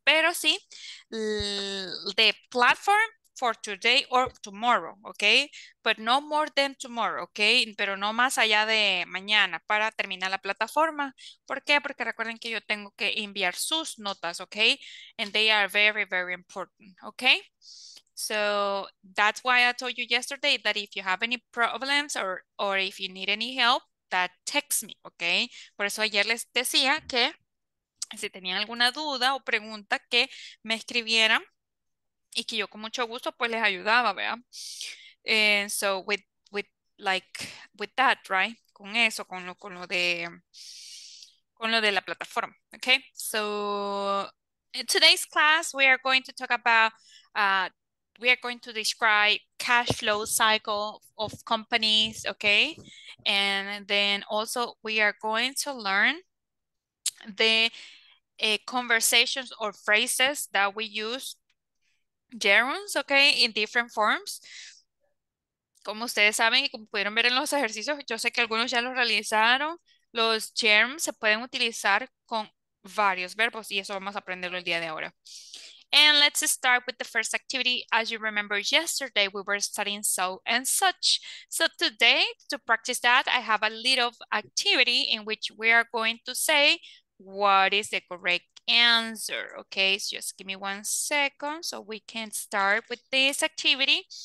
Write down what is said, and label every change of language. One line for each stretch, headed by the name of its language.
Spanish: Pero sí,
English: the platform for today or tomorrow, okay? But no more than tomorrow,
Spanish: okay? Pero no más allá de mañana para terminar la plataforma. ¿Por qué? Porque recuerden que yo tengo que enviar sus notas, okay?
English: And they are very, very important, okay? So that's why I told you yesterday that if you have any problems or if you need any help, that text me, okay?
Spanish: Por eso ayer les decía que si tenían alguna duda o pregunta que me escribieran y que yo con mucho gusto pues les ayudaba, ¿vea?
English: And so with that, right?
Spanish: Con eso, con lo de la plataforma, okay?
English: So in today's class we are going to talk about we are going to describe cash flow cycle of companies, okay? And then also we are going to learn the conversations or phrases that we use gerunds, okay, in different forms.
Spanish: Como ustedes saben y como pudieron ver en los ejercicios, yo sé que algunos ya lo realizaron. Los gerunds se pueden utilizar con varios verbos y eso vamos a aprenderlo el día de ahora.
English: And let's start with the first activity. As you remember, yesterday we were studying so and such. So today, to practice that, I have a little activity in which we are going to say what is the correct answer. Okay, so just give me 1 second so we can start with this activity.